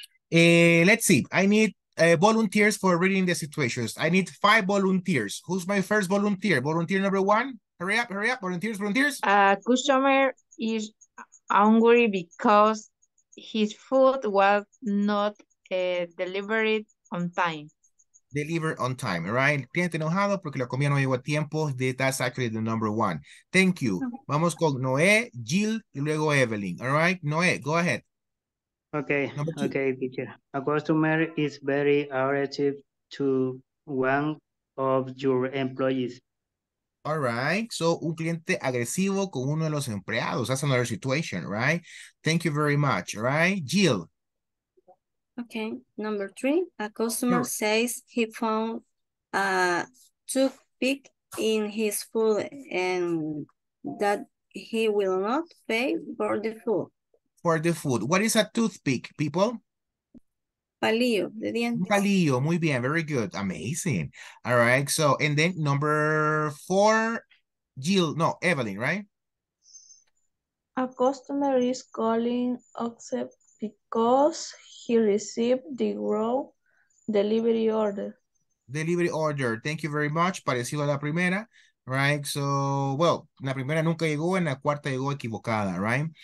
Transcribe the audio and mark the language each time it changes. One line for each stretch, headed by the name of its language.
English: Let's see, I need volunteers for reading the situations. I need 5 volunteers. Who's my first volunteer? Volunteer number 1, hurry up, volunteers. Customer is hungry because his food was not delivered on time. Delivered on time, right?
Spanish: Cliente enojado porque la comida no llegó a tiempo.
English: That's actually the number 1. Thank you.
Spanish: Vamos con Noé, Jill, y luego Evelyn.
English: All right, Noé, go ahead. Okay, teacher. A customer is very aggressive to one of your employees. All right, so
Spanish: un cliente agresivo con uno de los empleados.
English: That's another situation, right? Thank you very much, all right? Jill. Okay, number 3. A customer says he found a toothpick in his food and that he will not pay for the food. For the food. What is a toothpick, people?
Spanish: Palillo, de dientes. Palillo, muy bien,
English: very good, amazing. All right, so, and then number 4, Jill, no, Evelyn, right? A customer is calling upset because he received the wrong delivery order. Delivery order, thank you very much.
Spanish: Parecido a la primera,
English: right? So, well,
Spanish: la primera nunca llegó, en la cuarta llegó equivocada,
English: right?